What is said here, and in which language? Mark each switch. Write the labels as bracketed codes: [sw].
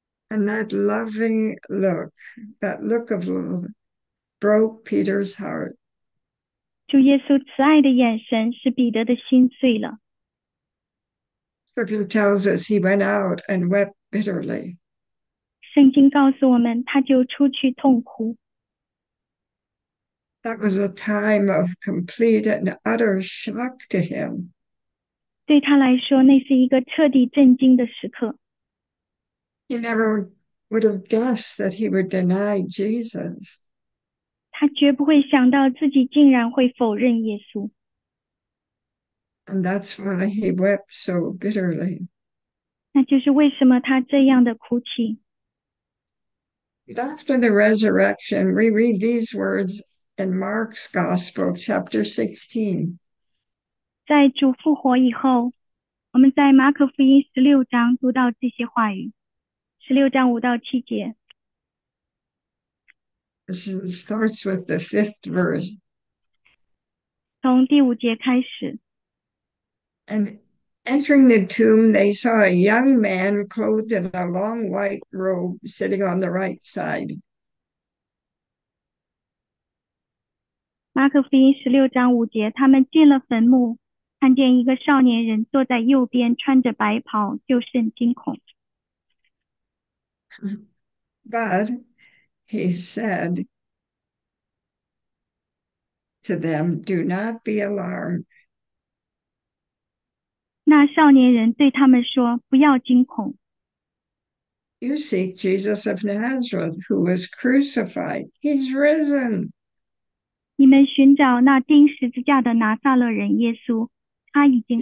[en] And that loving look, that look of love, broke Peter's heart. [zh] 主耶稣慈爱的眼神使彼得的心碎了。 [en] Scripture tells us he went out and wept bitterly. [zh] 圣经告诉我们，他就出去痛哭。 [en] That was a time of complete and utter shock to him. [zh] 对他来说，那是一个彻底震惊的时刻。 [en] He never would have guessed that he would deny Jesus. [zh] 他绝不会想到自己竟然会否认耶稣。 [en] And that's why he wept so bitterly. [zh] 那就是为什么他这样的哭泣。 [en] After the resurrection, we read these words in Mark's Gospel, chapter 16. [zh] 在主复活以后，我们在马可福音16章读到这些话语，16章5到7节。 [en] This starts with the fifth verse. [zh] 从第5节开始， [en] And entering the tomb, they saw a young man clothed in a long white robe sitting on the right side. [zh] 《马可福音》16章5节，他们进了坟墓，看见一个少年人坐在右边，穿着白袍，就甚惊恐。 [en] But he said to them, Do not be alarmed. [zh] 那少年人对他们说：“不要惊恐。 [en] You seek Jesus of Nazareth, who was crucified. He's risen. [zh] ”你们寻找那钉十字架的拿撒勒人耶稣，他已经